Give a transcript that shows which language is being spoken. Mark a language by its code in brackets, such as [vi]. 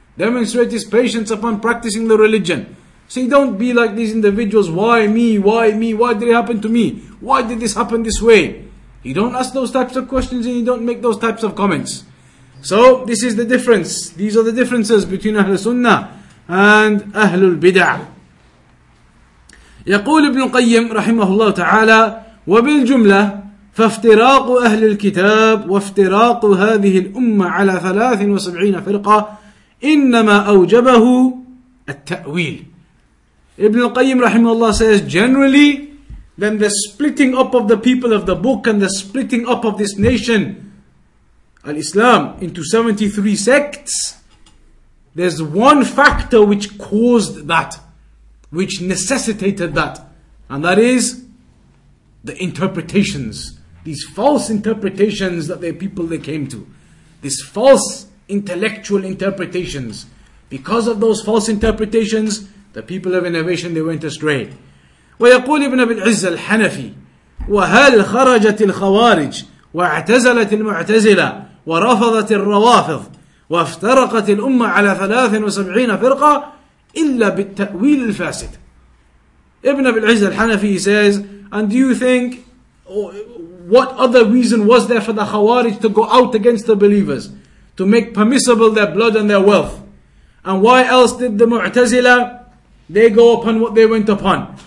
[en] Demonstrate his patience upon practicing the religion. See, don't be like these individuals. Why me? Why me? Why did it happen to me? Why did this happen this way? You don't ask those types of questions and you don't make those types of comments. So, this is the difference. These are the differences between Ahl Sunnah and Ahlul Bid'ah. [ar] يقول ابن قيم رحمه الله تعالى وبالجملة فافتراق أهل الكتاب وافتراق هذه الأمة على 73 فرقة إنما أوجبه التأويل. [en] Ibn al-Qayyim rahimahullah says, generally, then the splitting up of the people of the book and the splitting up of this nation, al-Islam, into 73 sects, there's one factor which caused that, which necessitated that, and that is the interpretations, these false interpretations that the people they came to, these false intellectual interpretations. Because of those false interpretations, the people of innovation, they went astray. [ar] ويقول ابن أبي العز الحنفي وهل خرجت الخوارج واعتزلت المعتزلة ورفضت الروافض وافترقت الأمة على 73 فرقة إلا بالتأويل الفاسد. [en] ابن أبي العز الحنفي says, and do you think, what other reason was there for the خوارج to go out against the believers, to make permissible their blood and their wealth? And why else did the Mu'tazila, they go upon what they went upon?